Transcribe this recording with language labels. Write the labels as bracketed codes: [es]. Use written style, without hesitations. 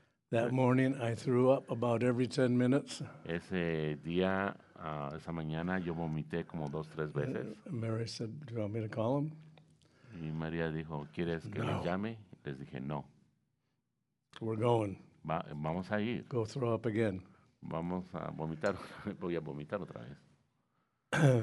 [en] That morning, I threw up about every 10 minutes. [es] Ese día, esa mañana, yo vomité como dos, tres veces. [en] Mary said, do you want me to call him? [es] Y María dijo, ¿quieres que les llame? Les dije, no. [en] We're going. [es] Vamos a ir. [en] Go throw up again. [es] Vamos a vomitar. Voy a vomitar otra vez.